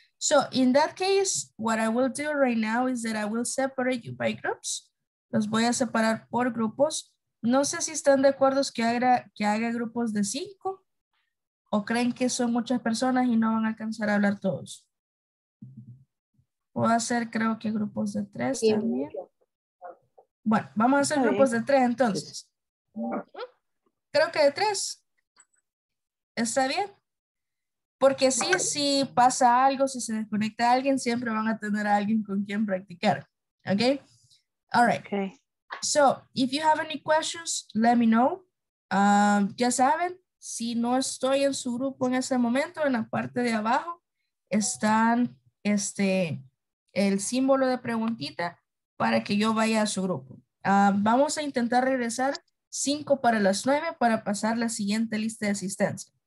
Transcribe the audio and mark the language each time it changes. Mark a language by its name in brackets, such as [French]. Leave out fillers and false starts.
[English] So in that case, what I will do right now is that I will separate you by groups. [Spanish] Los voy a separar por grupos. No sé si están de acuerdo que haga grupos de 5 o creen que son muchas personas y no van a alcanzar a hablar todos. Puedo hacer creo que grupos de 3 también. Bueno, vamos a hacer grupos de 3 entonces. Creo que de 3. ¿Está bien? Porque sí, si pasa algo, si se desconecta a alguien, siempre van a tener a alguien con quien practicar. ¿Ok? [English] All right. Okay. So, if you have any questions, let me know. [Spanish] Ya saben, si no estoy en su grupo en ese momento, en la parte de abajo, están el símbolo de preguntita para que yo vaya a su grupo. Vamos a intentar regresar 9:05 para pasar la siguiente lista de asistencia.